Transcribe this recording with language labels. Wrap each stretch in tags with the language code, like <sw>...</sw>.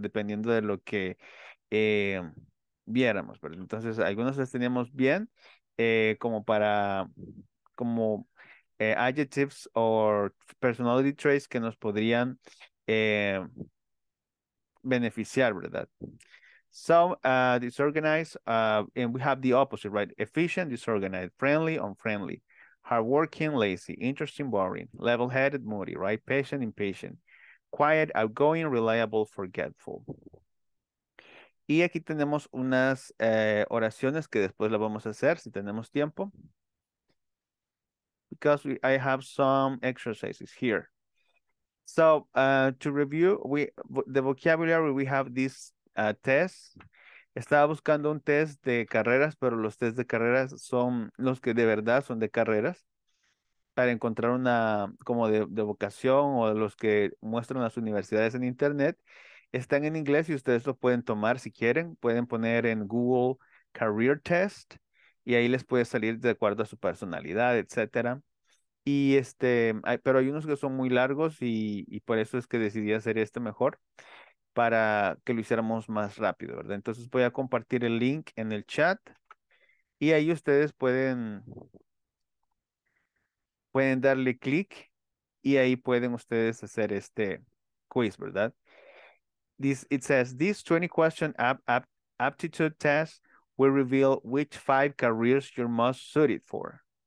<es>Dependiendo de lo que viéramos, ¿verdad? Entonces, algunas las teníamos bien, como</es> <en>adjectives or personality traits</en> <es>que nos podrían beneficiar, ¿verdad?</es> <en>So, disorganized, and we have the opposite, right? Efficient, disorganized, friendly, unfriendly, hardworking, lazy, interesting, boring, level-headed, moody, right? Patient, impatient, quiet, outgoing, reliable, forgetful.</en> <es>Y aquí tenemos unas oraciones que después las vamos a hacer si tenemos tiempo.</es> <en>Because I have some exercises here. So, to review, the vocabulary, we have this test.</en> <es>Estaba buscando un test de carreras, pero los test de carreras son los que de verdad son de carreras para encontrar una como de vocación o los que muestran las universidades en internet. Están en inglés y ustedes lo pueden tomar si quieren. Pueden poner en Google Career Test y ahí les puede salir de acuerdo a su personalidad, etcétera. Y pero hay unos que son muy largos y por eso es que decidí hacer este mejor, para que lo hiciéramos más rápido, ¿verdad? Entonces voy a compartir el link en el chat y ahí ustedes pueden darle clic y ahí pueden ustedes hacer este quiz, ¿verdad?</es> <en>It says, this 20-question aptitude test will reveal which 5 careers you're most suited for.</en>